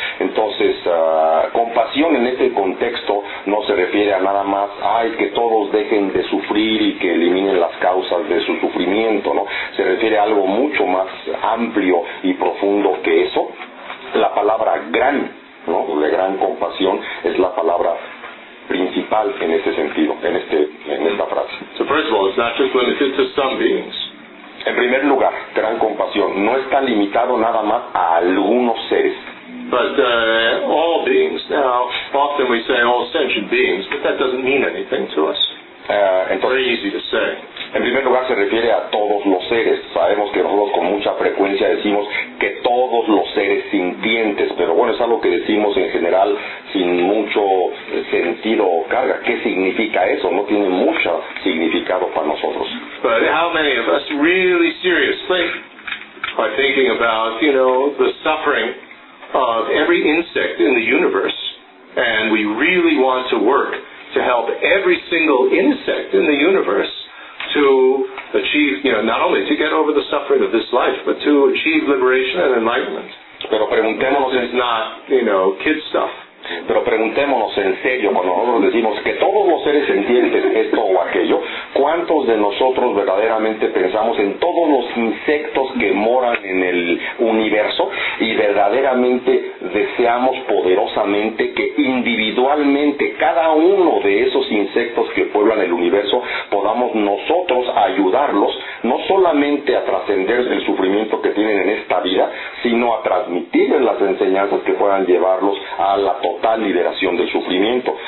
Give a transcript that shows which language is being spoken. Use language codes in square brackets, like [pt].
[es] Entonces, compasión en este contexto no se refiere a nada más, ay, que todos dejen de sufrir y que eliminen las causas de su sufrimiento, ¿no? Se refiere a algo mucho más amplio y profundo que eso. La palabra gran, ¿no? De gran compasión es la palabra principal en este sentido, en esta frase. [en] So first of all, it's not just limited to some beings. [es] En primer lugar, gran compasión no está limitado nada más a algunos seres. [en] But all beings. Now, often we say all sentient beings, but that doesn't mean anything to us. [es] Entonces, [en] very easy to say. [es] En primer lugar, se refiere a todos los seres. Sabemos que nosotros con mucha frecuencia decimos que todos los seres sintientes, pero bueno, es algo que decimos en general sin mucho sentido o carga. ¿Qué significa eso? No tiene mucho significado para nosotros. [en] But how many of us really seriously are thinking about, the suffering of every insect in the universe, and we really want to work to help every single insect in the universe to achieve, not only to get over the suffering of this life, but to achieve liberation and enlightenment. [es] Pero preguntémonos, [en] this is not, kid stuff. [es] Pero preguntémonos en serio, cuando nosotros decimos que todos los seres sintientes esto o aquello, ¿cuántos de nosotros verdaderamente pensamos en todos los insectos que moran en el universo y verdaderamente deseamos poderosamente que individualmente cada uno de esos insectos que pueblan el universo podamos nosotros ayudarlos no solamente a trascender el sufrimiento que tienen en esta vida, sino a transmitirles las enseñanzas que puedan llevarlos a la total liberación del sufrimiento?